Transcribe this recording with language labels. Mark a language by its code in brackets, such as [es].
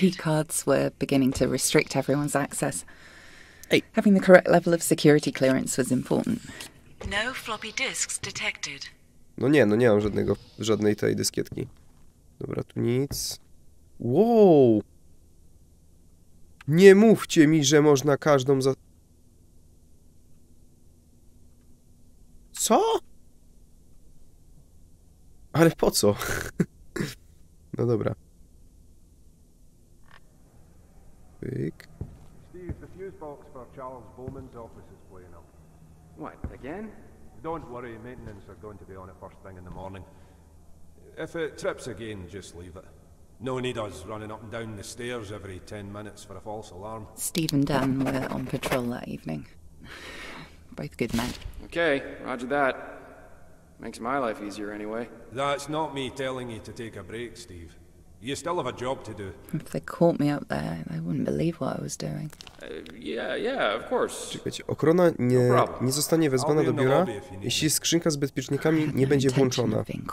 [en] Key cards were beginning to restrict everyone's access. Hey. Having the correct level of security clearance was important. No floppy disks detected. [pl] No nie, no nie mam żadnej tej dyskietki. Dobra, tu nic. Wow! Nie mówcie mi, że można każdą za... Co? Ale po co? No dobra. Pyk. [en] Steve, the fuse box for Charles Bowman's office is blowing up. What, again? Don't worry, maintenance are going to be on it first thing in the morning. If it trips again, just leave it. No need us running up and down the stairs every 10 minutes for a false alarm. Steve and Dan were on patrol that evening. Both good men. Okay, roger that. Makes my life easier anyway. That's not me telling you to take a break, Steve. You still have a job to do. If they caught me up there, they wouldn't believe what I was doing. Yeah, of course. [pl] Czekajcie, ochrona nie zostanie wezwana do biura, jeśli skrzynka z bezpiecznikami nie będzie włączona.